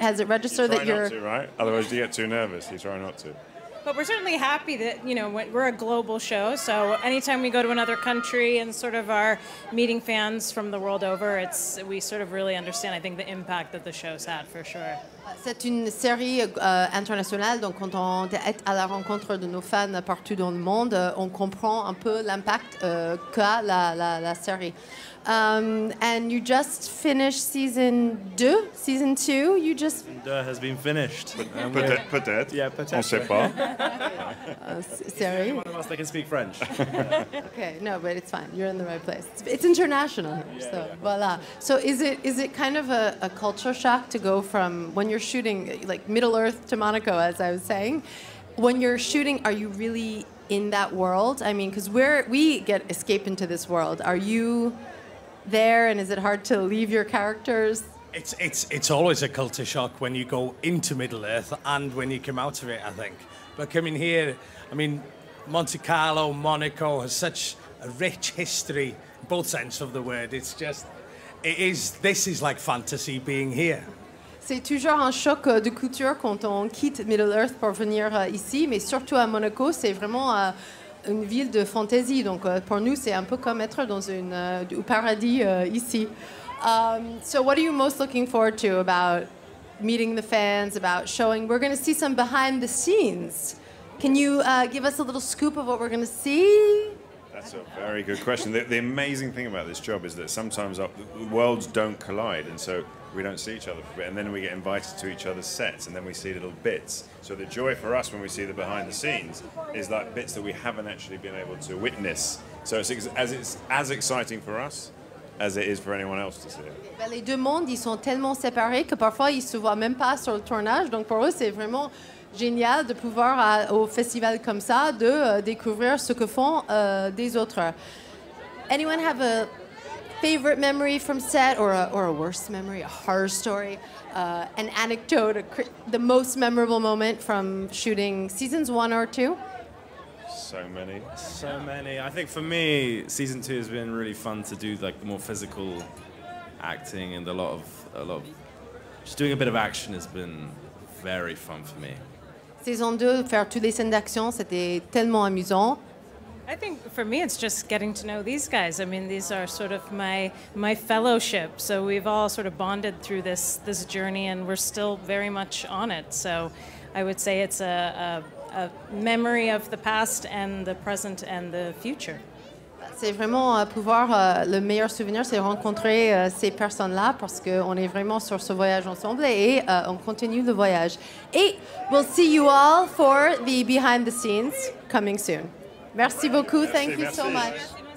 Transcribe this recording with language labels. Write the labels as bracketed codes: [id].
[en] Has it registered you try that not you're to, right? Otherwise, you get too nervous. You try not to. But we're certainly happy that, you know, we're a global show. So anytime we go to another country and sort of are meeting fans from the world over, it's we sort of really understand, I think, the impact that the show's had for sure. [fr] C'est une série internationale, donc quand on est à la rencontre de nos fans partout dans le monde, on comprend un peu l'impact qu'a la série. [en] And you just finished season two, you just... Season two has been finished. [fr] Peut-être. Yeah, peut-être. On sait pas. [en] Sorry. One of us that can speak French. Okay, no, but it's fine. You're in the right place. It's international here, yeah, so yeah. Voila. So is it kind of a culture shock to go from, when you're shooting, like Middle Earth to Monaco, as I was saying, when you're shooting, are you really in that world? I mean, because we get escape into this world. Are you... there, and is it hard to leave your characters? It's always a culture shock when you go into Middle Earth and when you come out of it, I think. But coming here, I mean, Monte Carlo, Monaco has such a rich history, both sense of the word. It's just, this is like fantasy being here. [fr] C'est toujours un choc de culture quand on quitte Middle Earth pour venir ici, mais surtout à Monaco, c'est vraiment une ville de fantaisie, donc pour nous c'est un peu comme être dans un paradis ici. [en] So what are you most looking forward to about meeting the fans, about showing? We're going to see some behind the scenes. Can you give us a little scoop of what we're going to see? That's a very good question. The amazing thing about this job is that sometimes worlds don't collide, and so we don't see each other for a bit, and then we get invited to each other's sets, and then we see little bits. So the joy for us when we see the behind the scenes is that bits that we haven't actually been able to witness. So it's as exciting for us as it is for anyone else to see it. [fr] Les deux mondes, ils sont tellement séparés que parfois ils se voient même pas sur le tournage. Donc pour eux, c'est vraiment génial de pouvoir au festival comme ça de découvrir ce que font des autres. [en] Anyone have a favorite memory from set, or a worst memory, a horror story, an anecdote, the most memorable moment from shooting seasons one or two? So many. I think for me, season two has been really fun to do, like the more physical acting, and a lot of just doing a bit of action has been very fun for me. [fr] Saison 2, faire toutes les scènes d'action, c'était tellement amusant. [en] I think for me, it's just getting to know these guys. I mean, these are sort of my fellowship. So we've all sort of bonded through this journey, and we're still very much on it. So I would say it's a memory of the past and the present and the future. [fr] C'est vraiment pouvoir, le meilleur souvenir, c'est rencontrer ces personnes-là parce qu'on est vraiment sur ce voyage ensemble et on continue le voyage. [en] Et we'll see you all for the behind the scenes coming soon. [fr] Merci beaucoup. [en] Thank you so much.